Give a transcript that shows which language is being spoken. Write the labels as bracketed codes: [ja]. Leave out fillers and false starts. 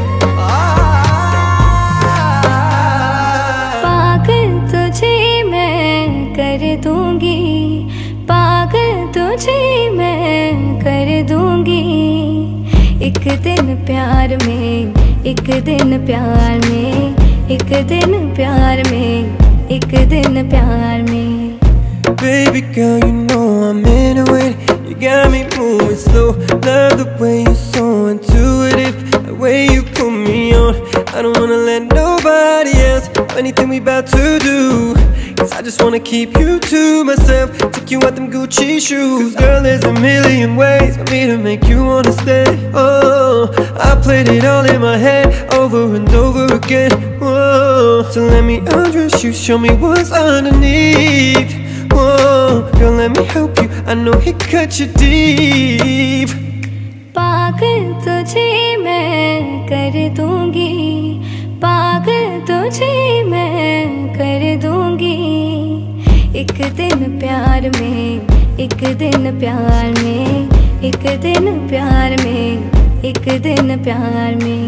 [hi] पागल तुझे मैं कर दूंगी, पागल तुझे मैं कर दूंगी, एक दिन प्यार में, एक दिन प्यार में, एक दिन प्यार में, एक दिन प्यार में। [en] Baby girl, you know I'm into it. You got me moving slow. Love the way you're so intuitive. The way you put me on. I don't wanna let nobody else know anything we about to do. Cause I just wanna keep you to myself. Take you out them Gucci shoes. Cause girl, there's a million ways for me to make you wanna stay. Oh, I played it all in my head over and over again. Whoa. So let me undress you, show me what's underneath. Whoa. Girl, let me help you, I know he cut you deep. [hi] पागल तुझे मैं कर दूंगी, पागल तुझे मैं कर दूंगी, एक दिन प्यार में, एक दिन प्यार में, एक दिन प्यार में, एक दिन प्यार में।